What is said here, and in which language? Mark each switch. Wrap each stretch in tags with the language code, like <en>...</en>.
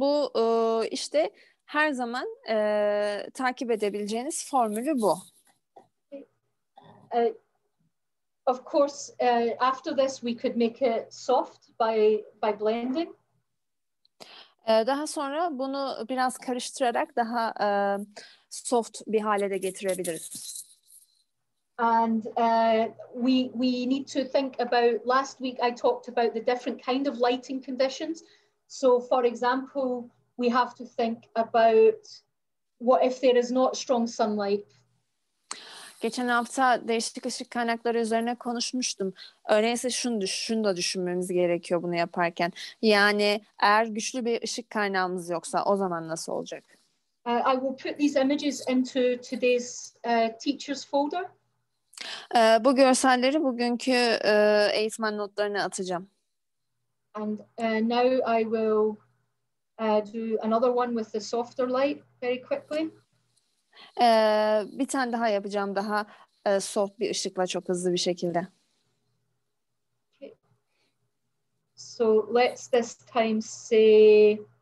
<tr>Bu işte her zaman takip edebileceğiniz formülü bu.</tr> <en>Of course, after this we could make it soft by blending.</en> <tr>Daha sonra bunu biraz karıştırarak daha soft bir hale de getirebiliriz.</tr> <en>And we need to think about last week I talked about the different kind of lighting conditions. So for example, we have to think about what if there is not strong sunlight.</en> <tr>Geçen hafta değişik ışık kaynakları üzerine konuşmuştum. Öyleyse şunu da düşünmemiz gerekiyor bunu yaparken. Yani eğer güçlü bir ışık kaynağımız yoksa o zaman nasıl olacak?</tr> <en>I will put these images into today's teacher's folder.</en> <tr>Bu görselleri bugünkü eğitmen notlarına atacağım.</tr> <en>And now I will do another one with the softer light very quickly.</en> <tr>Bir tane daha yapacağım, daha soft bir ışıkla, çok hızlı bir şekilde.</tr> <en>Okay. So let's this time say</en>